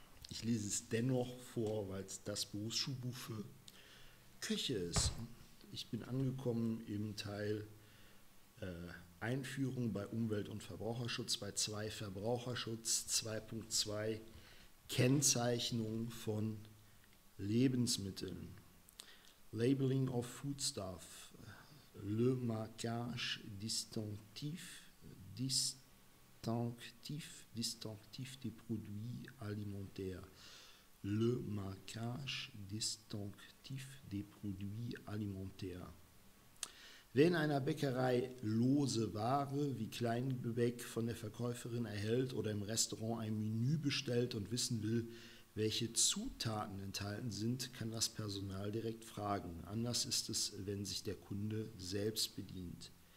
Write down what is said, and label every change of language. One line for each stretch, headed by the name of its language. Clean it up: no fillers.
German: Ich lese es dennoch vor, weil es das Berufsschulbuch für Köche ist. Ich bin angekommen im Teil Einführung bei Umwelt- und Verbraucherschutz, bei 2 Verbraucherschutz, 2.2 Kennzeichnung von Lebensmitteln.
English: Labeling of Foodstuff,
French: le marquage distinctif des produits alimentaires. Le marquage distinctif des produits alimentaires.
German: Wer in einer Bäckerei lose Ware wie Kleingebäck von der Verkäuferin erhält oder im Restaurant ein Menü bestellt und wissen will, welche Zutaten enthalten sind, kann das Personal direkt fragen. Anders ist es, wenn sich der Kunde selbst bedient.